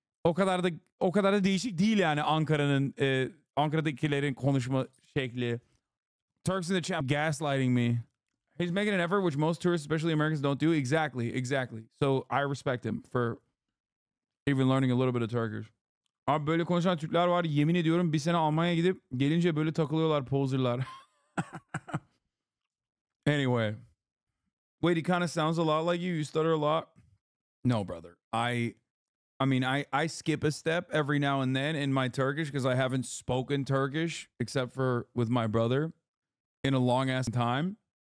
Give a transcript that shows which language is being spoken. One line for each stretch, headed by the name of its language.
Turkish: O kadar da değişik değil yani Ankara'nın, Ankara'dakilerin konuşma şekli.
English: Turks in the chat gaslighting me. He's making an effort which most tourists, especially Americans, don't do. Exactly. So I respect him for even learning a little bit of Turkish.
Turkish: Abi böyle konuşan Türkler var. Yemin ediyorum bir sene Almanya gidip gelince böyle takılıyorlar, poserlar.
English: Anyway, wait, he kind of sounds a lot like you. You stutter a lot? No, brother. I mean, I skip a step every now and then in my Turkish because I haven't spoken Turkish except for with my brother in a long ass time.